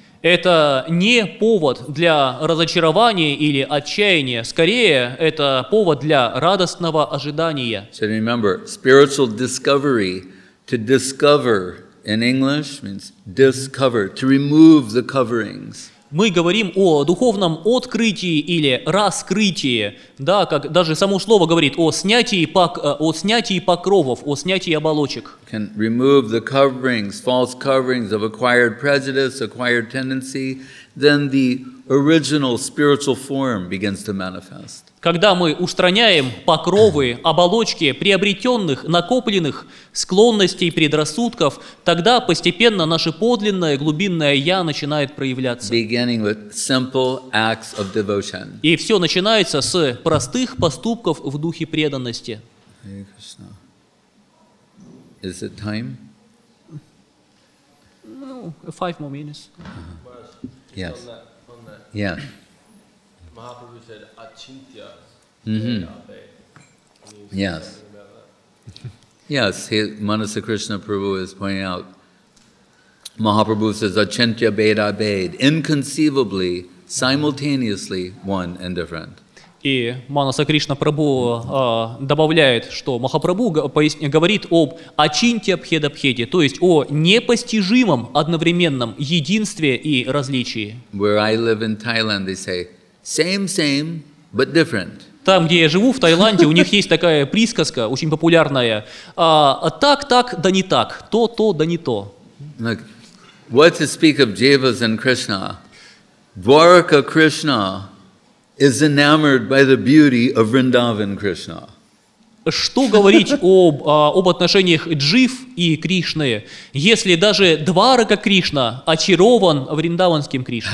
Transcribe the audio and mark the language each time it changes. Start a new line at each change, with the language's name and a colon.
Russian: Это не повод для разочарования или отчаяния, скорее это повод для радостного ожидания.
English: So remember, spiritual discovery, to discover in English means discover, to remove the coverings.
Russian: Мы говорим о духовном открытии или раскрытии, да, как даже само слово говорит, о снятии покровов, о снятии оболочек.
English: Can remove the coverings, false coverings of acquired prejudice, acquired tendency, then the original spiritual form begins to manifest.
Russian: Когда мы устраняем покровы, оболочки приобретенных, накопленных склонностей, предрассудков, тогда постепенно наше подлинное, глубинное «я» начинает проявляться.
English: Beginning with simple acts of devotion.
Russian: И все начинается с простых поступков в духе преданности.
English: Is it time? No, 5 more minutes. Uh-huh. Yes. Yeah. Mahaprabhu said, Achintya. Mm-hmm. Yes. Yes, Manasa Krishna Prabhu is pointing out, Mahaprabhu says, Achintya Bheda Bheda, inconceivably, simultaneously, one and different.
Russian: И Манаса Кришна Прабху добавляет, что Махапрабху говорит об ачинтья бхедабхеде, то есть о непостижимом одновременном единстве и различии.
English: Where I live in Thailand, they say, same, same, but different.
Russian: Там, где я живу, в Таиланде, у них есть такая присказка, очень популярная, так, так, да не так, то, то, да не то.
English: Look, what to speak of Devas and Krishna? Dwaraka Krishna is enamored by the beauty of Vrindavan Krishna.
Russian: Что говорить об отношениях Джив и Кришны, если даже Дварака Кришна очарован Вриндаванским Кришной?